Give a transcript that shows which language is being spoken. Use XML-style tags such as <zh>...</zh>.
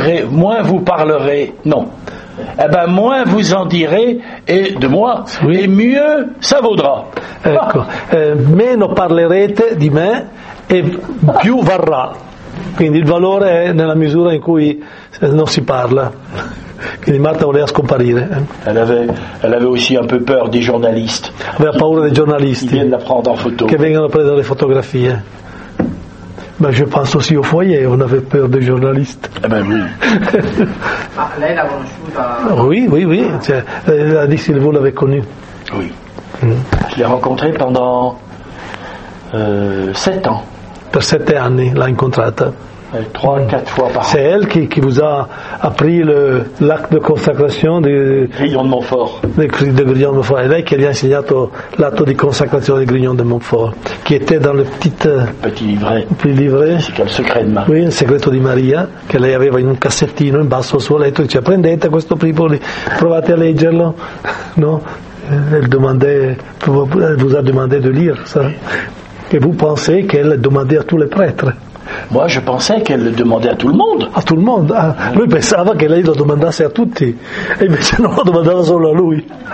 <fr>Moins vous parlerez, non. Eh ben, moins vous en direz et de moi, oui. Et mieux ça vaudra.</fr> <it>Ecco, meno parlerete di me e più varrà. Quindi il valore è nella misura in cui non si parla. Quindi Marta voleva scomparire.</it> <fr>Elle avait aussi un peu peur des journalistes.</fr> <it>Aveva paura dei giornalisti.</it> <fr>Viennent la prendre en photo.</fr> <it>Che vengano a prendere le fotografie.</it> <fr>Ma je pense aussi au foyer, on avait peur des journalistes. Eh ben oui.</fr> <it>Ma lei l'ha conosciuta.</it> <fr>Oui. Cioè, elle a dit si vous l'avez connue. Oui. Je l'ai rencontrée pendant 7 ans.</fr> <it>Per 7 anni l'ha incontrata.</it> <fr>3-4 fois par an. C'est elle qui vous a appris l'acte de consacration du Grignon de Montfort. De Grignon de Montfort. Et là, qui lui a enseigné l'acte de consacration du Grignon de Montfort, qui était dans le petit livret. C'est le secret de Marie. Oui, le secret de</fr> <it>Maria, que lei aveva in un cassettino in basso al suo letto. Dice, prendete questo primo, provate a leggerlo. Non?</it> <fr>Elle vous a demandé de lire ça. Et vous pensez qu'elle demandait à tous les prêtres. Moi, je pensais qu'elle le demandait à tout le monde. À tout le monde. Ah.</fr> <it>Lui pensava che lei lo domandasse a tutti. E invece non lo domandava solo a lui.</it>